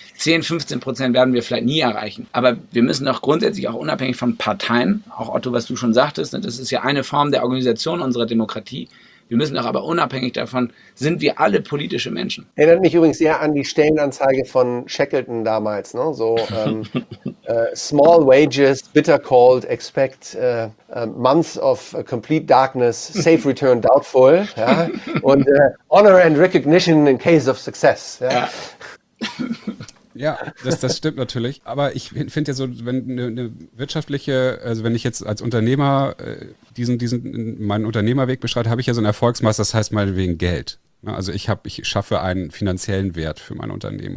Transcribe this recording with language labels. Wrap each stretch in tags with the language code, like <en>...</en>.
<de>10, 15% werden wir vielleicht nie erreichen. Aber wir müssen doch grundsätzlich auch unabhängig von Parteien, auch Otto, was du schon sagtest, ne, das ist ja eine Form der Organisation unserer Demokratie. Wir müssen doch aber unabhängig davon, sind wir alle politische Menschen. Erinnert mich übrigens sehr an die Stellenanzeige von Shackleton damals. Ne?</de> <en>So small wages, bitter cold, expect months of complete darkness, safe return doubtful.</en> <de>Ja? Und</de> <en>honor and recognition in case of success.</en> <de>Ja. Ja. Ja, das stimmt natürlich. Aber ich finde ja so, wenn eine wirtschaftliche, also wenn ich jetzt als Unternehmer diesen meinen Unternehmerweg beschreite, habe ich ja so ein Erfolgsmaß, das heißt meinetwegen Geld. Also ich schaffe einen finanziellen Wert für mein Unternehmen.</de>